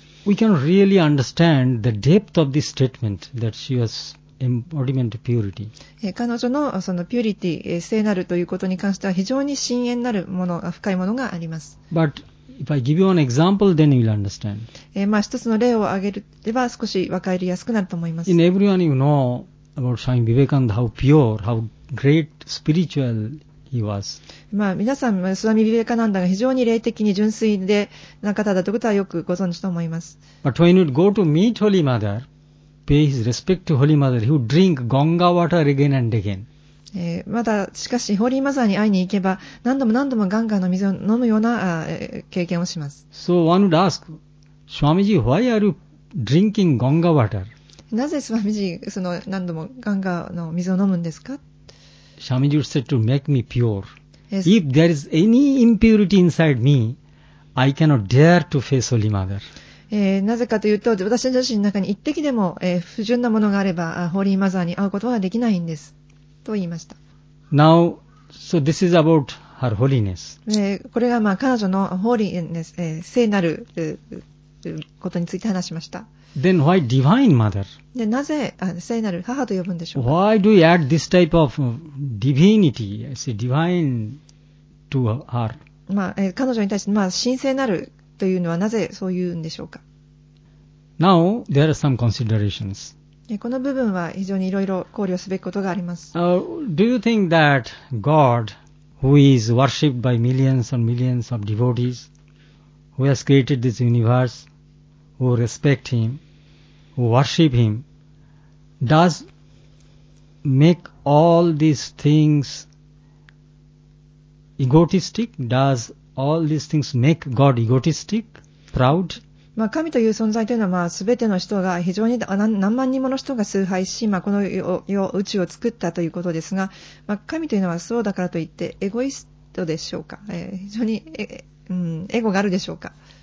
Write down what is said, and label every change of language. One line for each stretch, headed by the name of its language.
English: We can really understand the depth of this statement that she was embodiment of purity.
Japanese: 彼女のそのピュリティ、聖なるということに関しては非常に深遠なるもの、深いものがあります。
English: But if I give you an example, then you will understand.
Japanese: まあ一つの例を挙げれば少し分かりやすくなると思います。
English: In everyone you know about Swami Vivekananda, how pure, how great spiritual. He was.
Japanese: まあ、皆さん、スワミ・ビベカナンダが非常に霊的に純粋でな方だということはよくご存知と思います。
English: But when he would go to meet Holy Mother, pay his respect to Holy Mother, he would drink Ganga water again and again.
Japanese: まだ、しかし、ホーリーマザーに会いに行けば、何度も何度もガンガの水を飲むような、経験をします。
English: So one would ask, Swamiji, why are you drinking Ganga water?
Japanese: なぜスワミジ、その何度もガンガの水を飲むんですか?
English: Swamiji would say to make me pure. Yes. If there is any impurity inside me, I cannot dare to face Holy Mother.
Japanese: なぜかというと、私自身の中に一滴でも、不純なものがあれば、ホーリーマザーに会うことはできないんです。と言いました。
English: Now, so this is about her holiness.
Japanese: これが、まあ、彼女のホーリーネス、聖なる、ことについて話しました。
English: Then why divine mother?
Japanese: でなぜ聖なる母と呼ぶんでしょうか?
English: Why do you add this type of divinity? I say divine to her.
Japanese: まあ、彼女に対して、まあ、神聖なるというのはなぜそう言うんでしょうか?
English: Now, there are some considerations.
Japanese: この部分は非常にいろいろ考慮すべきことがあります。
English: Do you think that God, who is worshipped by millions and millions of devotees, who has created this universe,who respect him, who worship him, does make all these things egotistic? Does all these things make God egotistic, proud?
Japanese: まあ、神という存在というのは、まあ、全ての人が非常に 何万人もの人が崇拝し、まあ、この世宇宙を作ったということですが、まあ、神というのはそうだからといってエゴイストでしょうか、非常に、エゴがあるでしょうか。